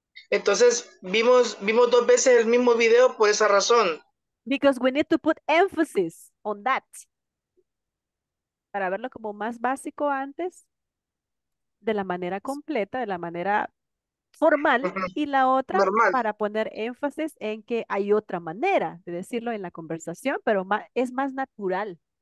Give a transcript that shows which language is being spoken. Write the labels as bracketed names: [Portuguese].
[Spanish] Entonces, vimos dos veces el mismo video por esa razón. [English] Because we need to put emphasis on that. [Spanish] Para verlo como más básico antes, de la manera completa, de la manera formal, y la otra normal. Para poner énfasis en que hay otra manera de decirlo en la conversación, pero más, es más natural.